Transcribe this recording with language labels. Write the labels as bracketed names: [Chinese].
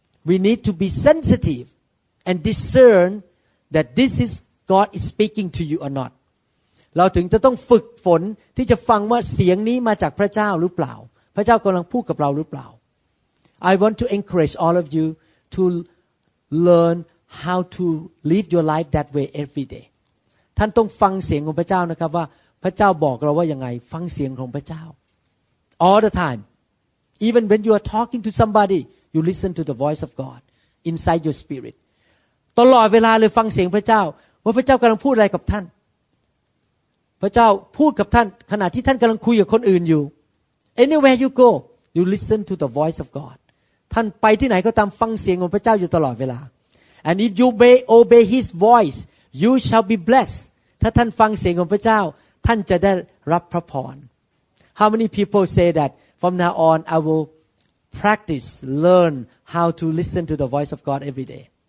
[English] We need to be sensitive and discern that this is God is speaking to you or not [Thai] เราถึงจะต้องฝึกฝนที่จะฟังว่าเสียงนี้มาจากพระเจ้าหรือเปล่าพระเจ้ากำลังพูดกับเราหรือเปล่า [English] I want to encourage all of you to learn how to live your life that way every day. [Thai] ท่านต้องฟังเสียงของพระเจ้านะครับว่าพระเจ้าบอกเราว่ายังไงฟังเสียงของพระเจ้า [English] All the time. Even when you are talking to somebody, you listen to the voice of God inside your spirit. [Thai] ตลอดเวลาเลยฟังเสียงพระเจ้าว่าพระเจ้ากำลังพูดอะไรกับท่านพระเจ้าพูดกับท่านขณะที่ท่านกำลังคุยกับคนอื่นอยู่ [English] Anywhere you go, you listen to the voice of God. [Thai] ท่านไปที่ไหนก็ตามฟังเสียงของพระเจ้าอยู่ตลอดเวลา [English] And if you obey His voice, you shall be blessed. [Thai] ถ้าท่านฟังเสียงของพระเจ้าท่านจะได้รับพระพร [English] How many people say that from now on I will practice, learn how to listen to the voice of God every day?